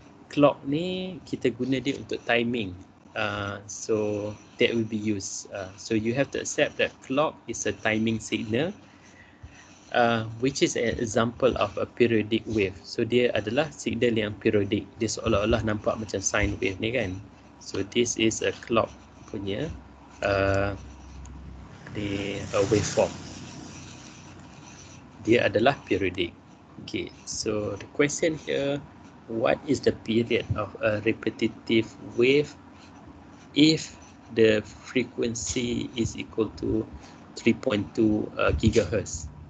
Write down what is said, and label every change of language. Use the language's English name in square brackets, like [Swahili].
[Malay] Clock ni kita guna dia untuk timing. [English] So that will be used. So you have to accept that clock is a timing signal, which is an example of a periodic wave. [Malay] So dia adalah signal yang periodic. Dia seolah-olah nampak macam sine wave ni kan. [English] So this is a clock [Malay] punya [English] a waveform. [Malay] Dia adalah [English] periodic. Okay, so the question here, what is the period of a repetitive wave if the frequency is equal to 3.2 gigahertz?